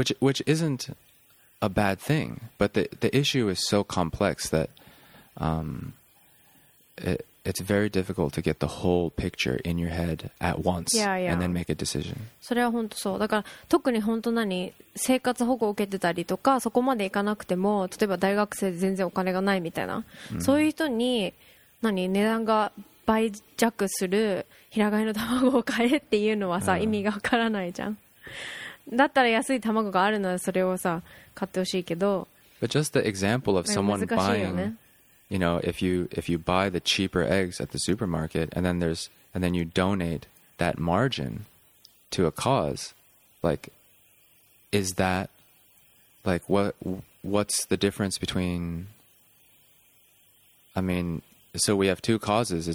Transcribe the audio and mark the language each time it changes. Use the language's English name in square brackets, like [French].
[English] Which isn't a bad thing, but the issue is so complex that、it's very difficult to get the whole picture in your head at once yeah, yeah. and then make a decision. [Japanese] それは本当そう。だから特に本当何生活保護を受けてたりとかそこまで行かなくても例えば大学生で全然お金がないみたいな、mm-hmm. そういう人に何値段が倍弱する平飼いの卵を買えっていうのはさ、意味がわからないじゃん。だったら安い卵があるならそれをさ買ってほしいけど。 [English] But just the example of someone buying... You know, if you buy the cheaper eggs at the supermarket and then you donate that margin to a cause, like, is that, like, what's the difference between, I mean, so we have two causes.